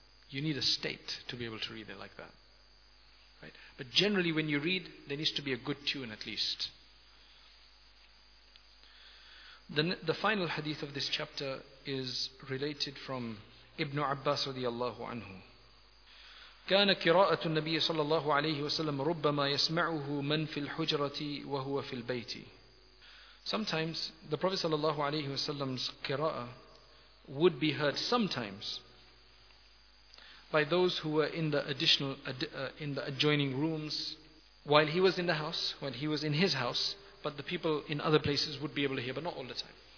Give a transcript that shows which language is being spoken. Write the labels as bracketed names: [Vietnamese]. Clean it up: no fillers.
[English] You need a state to be able to read it like that. Right? But generally when you read, there needs to be a good tune at least. The final hadith of this chapter is related from Ibn Abbas radiallahu anhu. [Arabic] كان قراءة النبي صلى الله عليه وسلم ربما يسمعه من في الحجرة وهو في البيت. [English] Sometimes the Prophet sallallahu alaihi wasallam's qira'ah would be heard sometimes by those who were in the adjoining rooms while he was in the house, when he was in his house, but the people in other places would be able to hear, but not all the time.